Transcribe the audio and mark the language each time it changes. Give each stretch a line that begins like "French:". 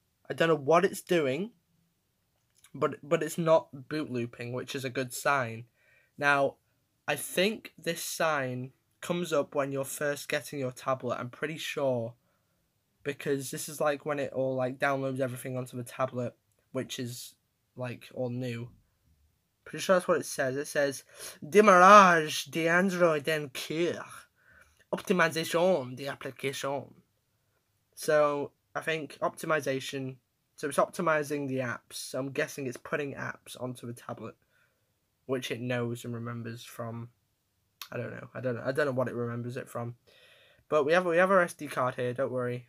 English: I don't know what it's doing. But it's not boot looping, which is a good sign. Now, I think this sign comes up when you're first getting your tablet, I'm pretty sure. Because this is like when it all like downloads everything onto the tablet, which is like all new. Pretty sure that's what it says. It says,
French: Démarrage d'Android en cœur. Optimisation d'application.
English: So, I think optimization... So it's optimizing the apps. So I'm guessing it's putting apps onto the tablet, which it knows and remembers from. I don't know what it remembers it from. But we have our SD card here. Don't worry.